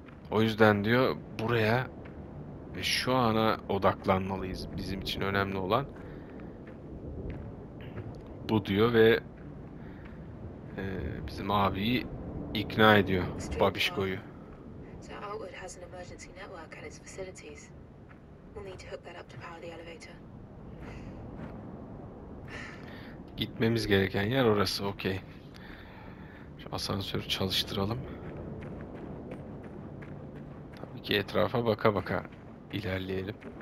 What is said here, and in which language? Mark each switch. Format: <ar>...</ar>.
<tr>O yüzden diyor buraya ve şu ana odaklanmalıyız bizim için önemli olan. Bu diyor ve bizim abiyi ikna ediyor Babişko'yu.</tr> <en>So Outwood has an emergency network at its facilities. We'll need to hook that up to power the elevator.</en> <tr>Gitmemiz gereken yer orası, okey. Şu asansörü çalıştıralım. Tabii ki etrafa baka baka ilerleyelim.</tr>